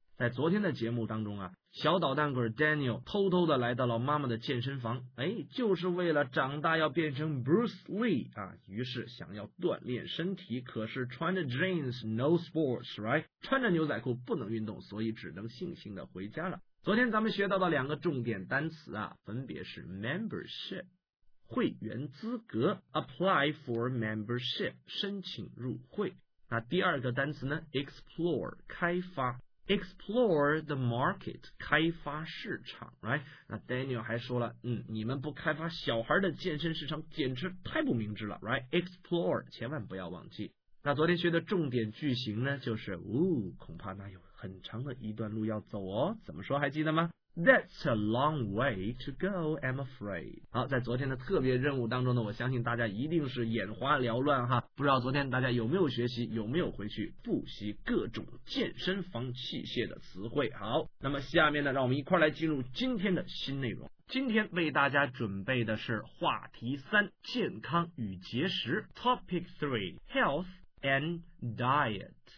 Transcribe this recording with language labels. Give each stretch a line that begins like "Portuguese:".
Chinese: 在昨天的节目当中啊，小捣蛋鬼 Daniel 偷偷的来到了妈妈的健身房，哎，就是为了长大要变成 Bruce Lee 啊，于是想要锻炼身体，可是穿着
English: jeans no sports right，
Chinese: 穿着牛仔裤不能运动，所以只能悻悻的回家了。昨天咱们学到的两个重点单词啊，分别是 membership 会员资格
English: apply for membership
Chinese: 申请入会，那第二个单词呢 explore 开发。
English: Explore the market，
Chinese: 开发市场
English: ，right？
Chinese: 那 Daniel 还说了，嗯，你们不开发小孩的健身市场，简直太不明智了 ，right？ Explore， 千万不要忘记。那昨天学的重点句型呢，就是，哦，恐怕那有很长的一段路要走哦。怎么说？还记得吗
English: ？That's a long way to go， I'm afraid。
Chinese: 好，在昨天的特别任务当中呢，我相信大家一定是眼花缭乱哈。不知道昨天大家有没有学习，有没有回去复习各种健身房器械的词汇。好，那么下面呢，让我们一块来进入今天的新内容。今天为大家准备的是话题三，健康与节食
English: Topic 3 Health and Diet。